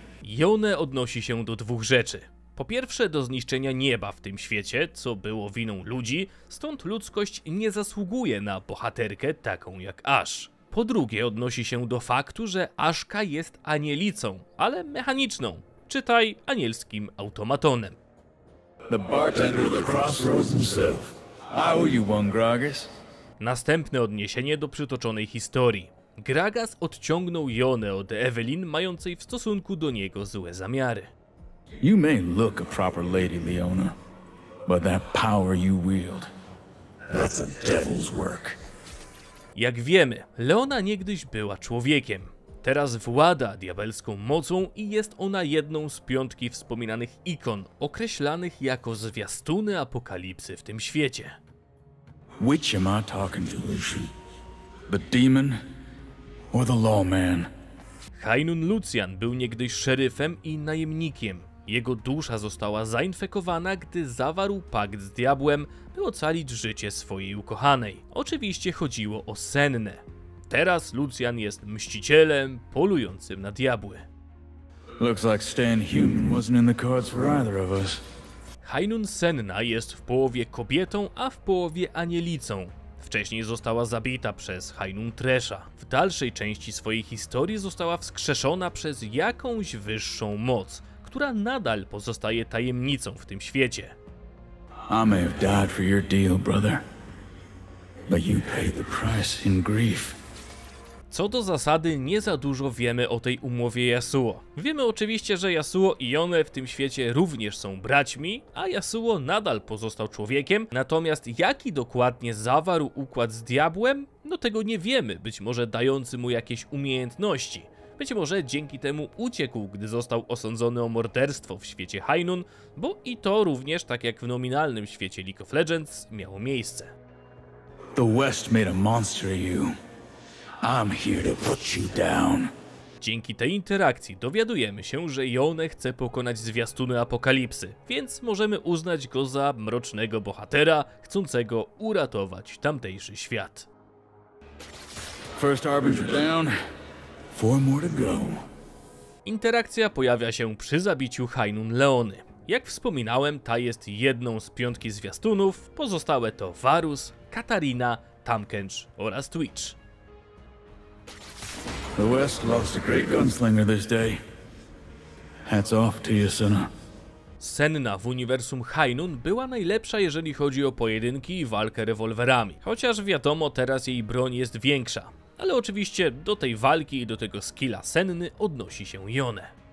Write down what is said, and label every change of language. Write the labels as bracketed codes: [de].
[pl] Yone odnosi się do dwóch rzeczy. Po pierwsze do zniszczenia nieba w tym świecie, co było winą ludzi, stąd ludzkość nie zasługuje na bohaterkę taką jak Ash. Po drugie odnosi się do faktu, że Ashka jest anielicą, ale mechaniczną. Czytaj anielskim automatonem. [en] The bartender of the crossroads himself. How are you, one Gragas? [pl] Następne odniesienie do przytoczonej historii. Gragas odciągnął Yone od Evelyn, mającej w stosunku do niego złe zamiary. [en] You may look a proper lady, Leona, but that power you wield, that's a devil's work. [pl] Jak wiemy, Leona niegdyś była człowiekiem. Teraz włada diabelską mocą i jest ona jedną z piątki wspominanych ikon, określanych jako zwiastuny apokalipsy w tym świecie. [en] Which am I talking to, Lucian? The demon or the lawman? [pl] Hainun Lucian był niegdyś szeryfem i najemnikiem. Jego dusza została zainfekowana, gdy zawarł pakt z diabłem, by ocalić życie swojej ukochanej. Oczywiście chodziło o Senne. Teraz Lucian jest mścicielem polującym na diabły. [en] Looks like staying human wasn't in the cards for either of us. [pl] Hainun Senna jest w połowie kobietą, a w połowie anielicą. Wcześniej została zabita przez Hainun Thresha. W dalszej części swojej historii została wskrzeszona przez jakąś wyższą moc, która nadal pozostaje tajemnicą w tym świecie. [en] I may have died for your deal, brother. But you paid the price in grief. [pl] Co do zasady, nie za dużo wiemy o tej umowie Yasuo. Wiemy oczywiście, że Yasuo i Yone w tym świecie również są braćmi, a Yasuo nadal pozostał człowiekiem, natomiast jaki dokładnie zawarł układ z diabłem? No tego nie wiemy, być może dający mu jakieś umiejętności. Być może dzięki temu uciekł, gdy został osądzony o morderstwo w świecie Hainun, bo i to również, tak jak w nominalnym świecie League of Legends, miało miejsce. [en] The West made a monster of you. I'm here to put you down. [pl] Dzięki tej interakcji dowiadujemy się, że Yone chce pokonać zwiastuny apokalipsy, więc możemy uznać go za mrocznego bohatera, chcącego uratować tamtejszy świat. [en] First Harbinger down. Four more to go. [pl] Interakcja pojawia się przy zabiciu Hainun Leony. Jak wspominałem, ta jest jedną z piątki zwiastunów, pozostałe to Varus, Katarina, Tahmkench oraz Twitch. [en] The West lost a great gunslinger this day. Hats off to you, Senna. [pl] Senna w uniwersum Hainun była najlepsza, jeżeli chodzi o pojedynki i walkę rewolwerami. Chociaż wiadomo, teraz jej broń jest większa. Ale oczywiście do tej walki i do tego skilla Senny odnosi się Yone.